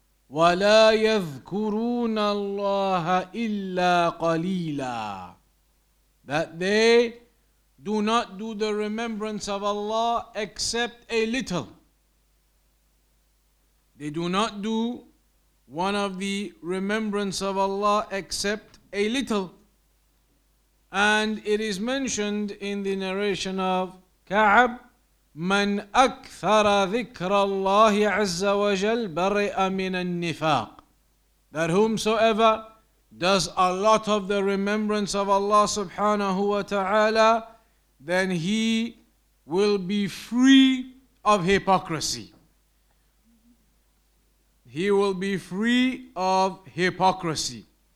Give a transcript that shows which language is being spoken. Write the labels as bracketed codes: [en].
[ar] وَلَا يَذْكُرُونَ اللَّهَ إِلَّا قَلِيلًا. [en] That they do not do the remembrance of Allah except a little. They do not do one of the remembrance of Allah except a little. And it is mentioned in the narration of Ka'ab, [ar] من أكثر ذكر الله عز وجل برئ من النفاق. [en] That whomsoever does a lot of the remembrance of Allah subhanahu wa ta'ala, then he will be free of hypocrisy. He will be free of hypocrisy.